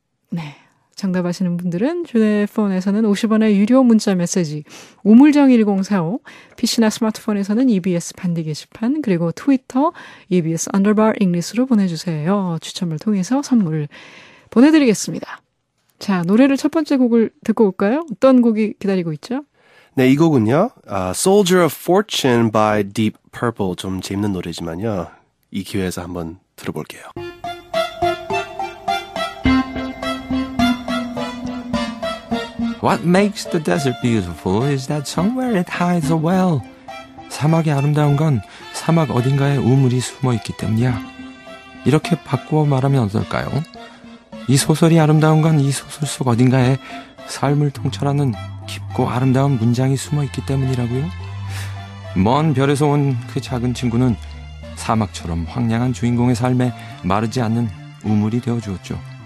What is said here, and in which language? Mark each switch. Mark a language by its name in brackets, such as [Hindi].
[Korean] 네, 정답하시는 분들은 휴대폰에서는 50원의 유료 문자 메시지 우물정 1045, PC나 스마트폰에서는 EBS 반디 게시판, 그리고 트위터 EBS Underbar English로 보내주세요. 추첨을 통해서 선물 보내드리겠습니다. 자, 노래를 첫 번째 곡을 듣고 올까요? 어떤 곡이 기다리고 있죠? 네, 이 곡은요. [English] Soldier of Fortune by Deep Purple. [Korean] 좀 재밌는 노래지만요. 이 기회에서 한번 들어볼게요. [English] What makes the desert beautiful is that somewhere it hides a well. [Korean] 사막이 아름다운 건 사막 어딘가에 우물이 숨어 있기 때문이야. 이렇게 바꾸어 말하면 어떨까요? 이 소설이 아름다운 건 이 소설 속 어딘가에 삶을 통찰하는 깊고 아름다운 문장이 숨어 있기 때문이라고요? 먼 별에서 온 그 작은 친구는 사막처럼 황량한 주인공의 삶에 마르지 않는 우물이 되어주었죠.